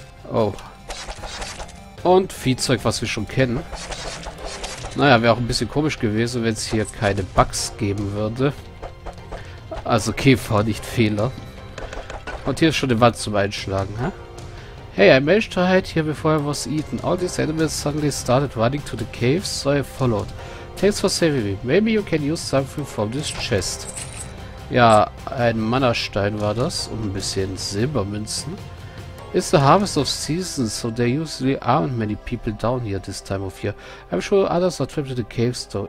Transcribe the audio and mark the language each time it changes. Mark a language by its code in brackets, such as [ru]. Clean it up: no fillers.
[de] Oh. Und Viehzeug, was wir schon kennen. Naja, wäre auch ein bisschen komisch gewesen, wenn es hier keine Bugs geben würde. Also Käfer, nicht Fehler. Und hier ist schon eine Wand zum Einschlagen, hä? [en] Hey, I managed to hide here before I was eaten. All these animals suddenly started running to the caves, so I followed. Thanks for saving me. Maybe you can use something from this chest. [de] Ja, ein Mannerstein war das und ein bisschen Silbermünzen. [en] It's the harvest of season, so there usually aren't many people down here this time of year. I'm sure others are trapped in the caves, though.